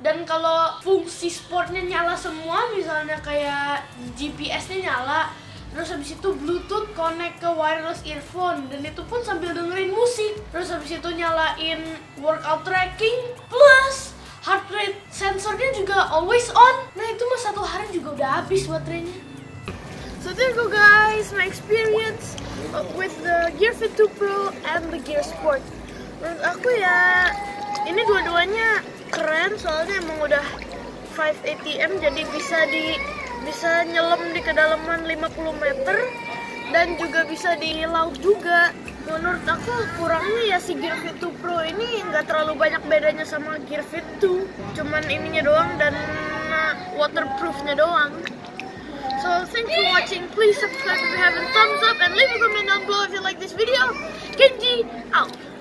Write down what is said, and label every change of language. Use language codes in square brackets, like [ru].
[id] Dan kalau fungsi sportnya nyala semua, misalnya kayak GPS-nya nyala, terus habis itu Bluetooth connect ke wireless earphone, dan itu pun sambil dengerin musik. Terus habis itu nyalain workout tracking, plus heart rate sensornya juga always on. Nah itu mah satu hari juga udah habis baterainya. [en] So there you go guys, my experience with the Gear Fit 2 Pro and the Gear Sport. [id] Menurut aku ya, ini dua-duanya keren, soalnya emang udah 5 ATM, jadi bisa nyelam di kedalaman 50 meter dan juga bisa di laut juga. Menurut aku kurangnya ya si Gear Fit 2 Pro ini nggak terlalu banyak bedanya sama Gear Fit 2, cuman ininya doang dan waterproofnya doang. [en] So thanks for watching, please subscribe if you haven't, thumbs up and leave a comment down below if you like this video. Kenji out.